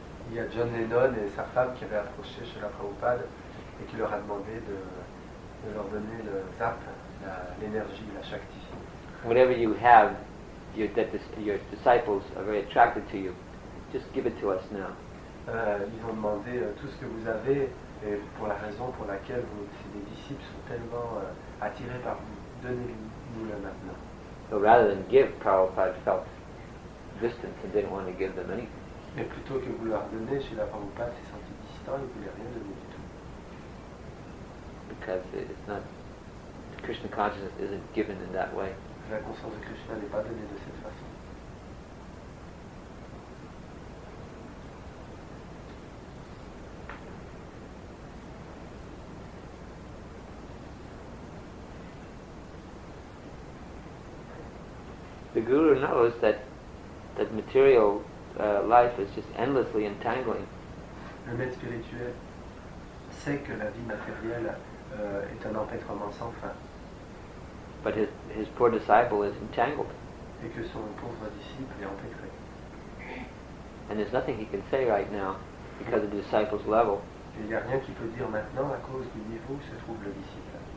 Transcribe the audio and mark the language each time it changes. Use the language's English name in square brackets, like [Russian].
[French] Il y a John Lennon et sa femme qui avaient approché chez la Prabhupada. Et qui leur a demandé de leur donner le zap, l'énergie, la shakti. [English] Whatever you have, your disciples are very attracted to you. Just give it to us now. [French] Ils ont demandé tout ce que vous avez, et pour la raison pour laquelle ces disciples sont tellement attirés par vous, donnez-nous-le maintenant. [English] So rather than give, Prabhupada felt distant and didn't want to give them anything. [French] Mais plutôt que vous leur donnez, chez la Prabhupada s'est senti distant, il ne voulait rien donner. [English] Because it's not, Krishna consciousness isn't given in that way. [French] La conscience de Krishna n'est pas donnée de cette façon. [English] The guru knows that material life is just endlessly entangling. [French] Le maître spirituel sait que la vie matérielle est un empêtrement sans fin. [English] But his poor disciple is entangled. [French] Et que son pauvre disciple est empêtré. [English] And there's nothing he can say right now because of the disciple's level. [French] Il n'y a rien qu'il peut dire maintenant à cause du niveau où se trouve le disciple.